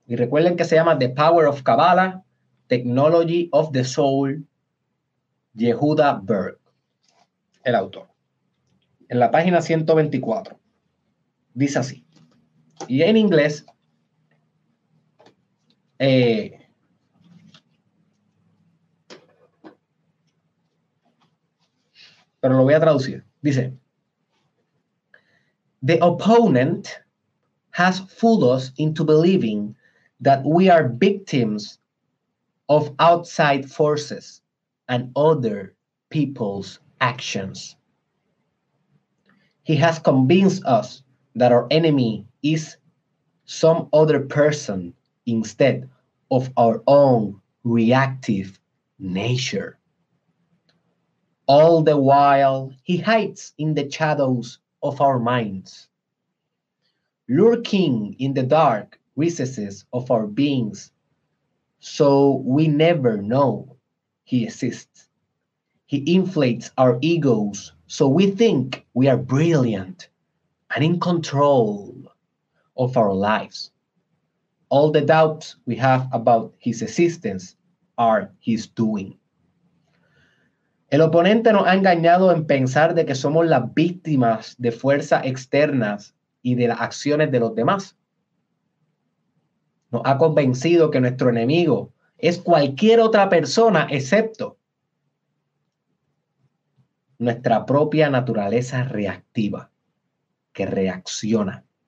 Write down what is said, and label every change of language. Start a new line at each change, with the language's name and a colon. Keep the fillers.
Spanish: Y recuerden que se llama The Power of Kabbalah, Technology of the Soul, Yehuda Berg, el autor. En la página 124. Dice así. Y en inglés, eh, pero lo voy a traducir. Dice,
English: The opponent has fooled us into believing that we are victims of outside forces and other people's actions. He has convinced us that our enemy is some other person instead of our own reactive nature. All the while, he hides in the shadows of our minds, lurking in the dark recesses of our beings, so we never know he exists. He inflates our egos, so we think we are brilliant and in control of our lives. All the doubts we have about his existence are his doing.
Spanish: El oponente nos ha engañado en pensar de que somos las víctimas de fuerzas externas y de las acciones de los demás nos ha convencido que nuestro enemigo es cualquier otra persona excepto nuestra propia naturaleza reactiva, que reacciona.